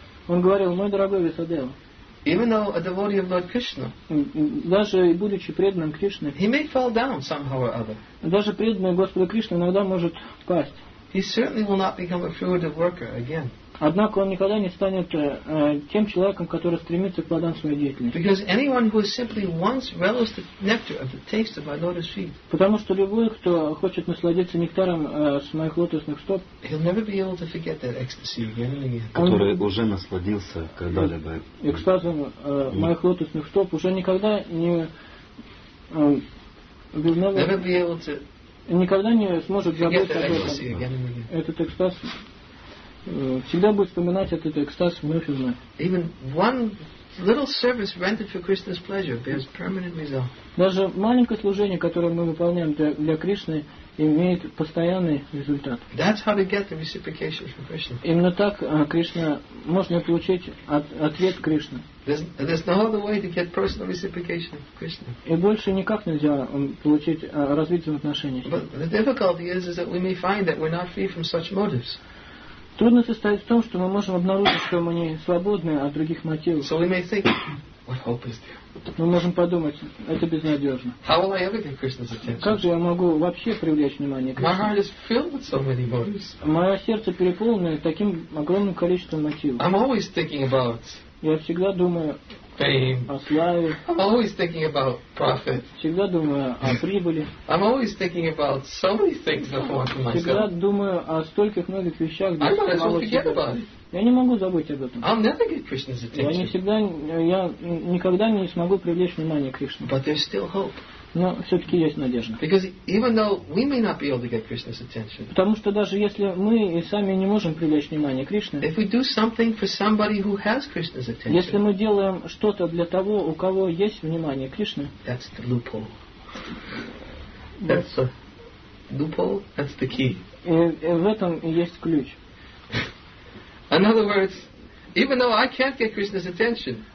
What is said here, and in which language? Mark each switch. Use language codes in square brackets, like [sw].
[ru] Он говорил, мой дорогой Ясадева. [en] Even though a devotee of Lord Krishna, [ru] даже будучи преданным Кришне, [en] he may fall down somehow or other. [ru] Даже преданный Господу Кришне иногда может пасть. [en] He certainly will not become a fruitive worker again. [ru] Однако он никогда не станет тем человеком, который стремится к плодам своей деятельности. [en] Because anyone who simply wants relish the nectar of the taste of my lotus feet. [ru] Потому что любой, кто хочет насладиться нектаром с моих лотосных стоп, [en] he'll never be able to forget that ecstasy again and again. [ru] Который уже насладился когда-либо. Экстазом моих лотосных стоп уже никогда не никогда не сможет забыть об этом. Этот экстаз. Всегда будет вспоминать этот экстаз вновь и вновь. [en] Even one little service rendered for Krishna's pleasure bears permanent result. [ru] Даже маленькое служение, которое мы выполняем для Кришны, имеет постоянный результат. [en] That's how to get the reciprocation from Krishna. [ru] Именно так Кришна можно получить ответ Кришны. [en] There's no other way to get personal reciprocation from Krishna. [ru] И больше никак нельзя получить развитие отношений. [en] But the difficulty is that we may find that we're not free from such motives. [ru] Трудно состоит в том, что мы можем обнаружить, что мы не свободны от других мотивов. [en] So we may think, what hope is there? [ru] Мы можем подумать, это безнадежно. [en] How will I ever get Krishna's attention? [ru] Как же я могу вообще привлечь внимание к [en] Кришне? My heart is filled with so many motives. [ru] Мое сердце переполнено таким огромным количеством мотивов. [en] I'm always thinking about [ru] Я всегда думаю [en] fame. [ru] О славе. [en] I'm always thinking about profit. [ru] Всегда думаю о прибыли. [en] I'm always thinking about so many things that I want for myself. [ru] Всегда думаю о стольких многих вещах, где я могу забыть. Я не могу забыть об этом. [en] I'll never get Krishna's attention. [ru] Я никогда не смогу привлечь внимание Кришны. [en] But there's still hope. [ru] Но все-таки есть надежда. [en] Because even though we may not be able to get Krishna's attention. [ru] Потому что даже если мы и сами не можем привлечь внимание Кришны. [en] If we do something for somebody who has Krishna's attention. [ru] Если мы делаем что-то для того, у кого есть внимание Кришны. [en] That's the loophole. That's a loophole, that's the key. [ru] И в этом есть ключ. [en] In other words, even though I can't get Krishna's attention,